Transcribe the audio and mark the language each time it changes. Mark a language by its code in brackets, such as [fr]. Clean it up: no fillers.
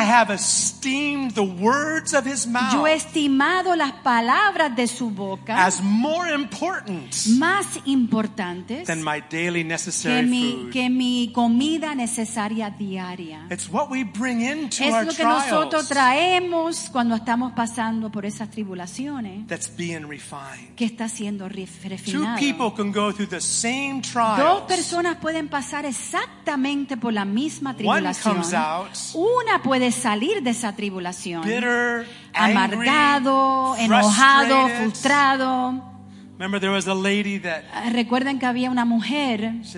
[en] I have esteemed the words of his mouth. [es] Yo he estimado las palabras de su boca. [en] As more important. [es] Más importantes. [en] Than my daily necessary [es] que mi, [en] food. [es] Que mi comida necesaria diaria. [en] It's what we bring into our trials. [es] Es lo que nosotros traemos cuando estamos pasando por esas tribulaciones. [en] That's being refined. [es] Que está siendo refinado. [en] Two people can go through the same trials. [es] Dos personas pueden pasar exactamente por la misma tribulación. [en] One comes out. [es] Una puede salir de esa tribulación. [en] Bitter, [es] amargado, [en] angry, [es] enojado, frustrado. [en] Remember, there was a lady that. [es] Recuerden que había una mujer.